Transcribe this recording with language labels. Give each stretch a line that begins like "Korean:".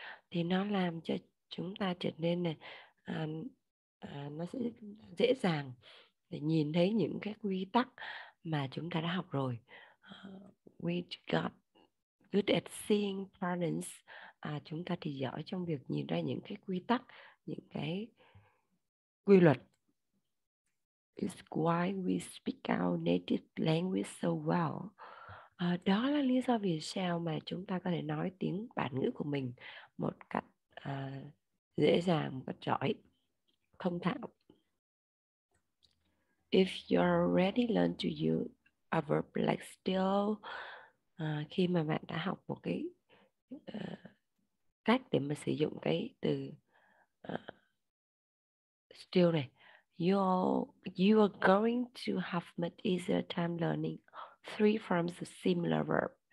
Vietnamese: Thì nó làm cho chúng ta trở nên này, nó sẽ dễ dàng để nhìn thấy những cái quy tắc mà chúng ta đã học rồi.
English: We got good at seeing patterns.
Vietnamese: Chúng ta thì giỏi trong việc nhìn ra những cái quy tắc, những cái quy luật.
English: It's why we speak our native language so well.
Vietnamese: Đó là lý do vì sao mà chúng ta có thể nói tiếng bản ngữ của mình một cách dễ dàng, một cách giỏi, thông thạo.
English: If you already learned to use a verb like steal,
Vietnamese: khi mà bạn đã học một cái cách để mà sử dụng cái từ steal này,
English: you are going to have much easier time learning three forms of similar verb.